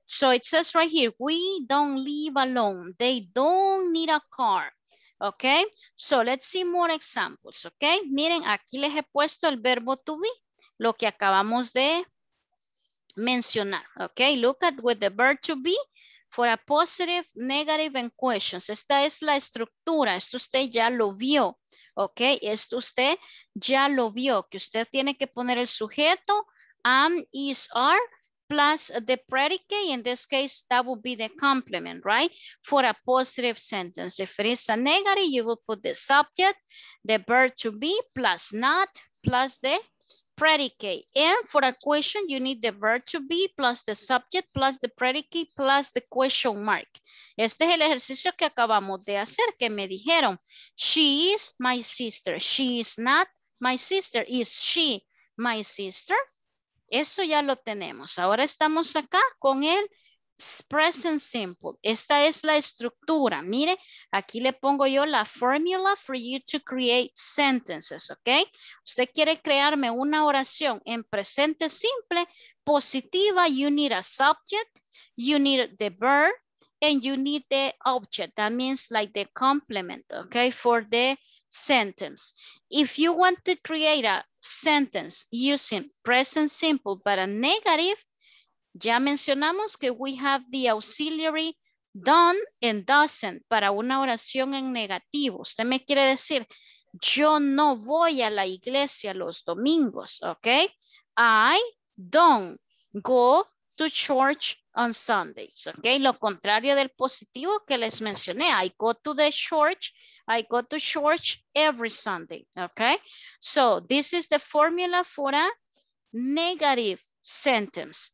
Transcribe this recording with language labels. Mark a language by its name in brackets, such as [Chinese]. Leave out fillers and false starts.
[English] So it says right here, we don't live alone. They don't need a car. Okay, so let's see more examples. [Spanish] Okay, miren, aquí les he puesto el verbo to be, lo que acabamos de mencionar. [English] Okay, look at with the verb to be for a positive, negative, and questions. [Spanish] Esta es la estructura. Esto usted ya lo vio. Okay, esto usted ya lo vio, que usted tiene que poner el sujeto, am, is, are, [English] plus the predicate, in this case, that would be the complement, right? For a positive sentence. If it is a negative, you will put the subject, the verb to be, plus not, plus the predicate. And for a question, you need the verb to be, plus the subject, plus the predicate, plus the question mark. [Spanish] Este es el ejercicio que acabamos de hacer, que me dijeron, [English] she is my sister. She is not my sister. Is she my sister? [Spanish] Eso ya lo tenemos. Ahora estamos acá con el present simple. Esta es la estructura. Mire, aquí le pongo yo la formula [English] for you to create sentences, [Spanish] ¿ok? Usted quiere crearme una oración en presente simple, positiva, [English] you need a subject, you need the verb, and you need the object. That means like the complement, ¿ok? For the sentence. If you want to create a sentence using present simple but a negative, [Spanish] ya mencionamos que [English] we have the auxiliary done and doesn't [Spanish] para una oración en negativo. Usted me quiere decir, yo no voy a la iglesia los domingos, ¿ok? [English] I don't go to church on Sundays, ¿ok? [Spanish] Lo contrario del positivo que les mencioné, [English] I go to the church. I go to church every Sunday, okay? So this is the formula for a negative sentence.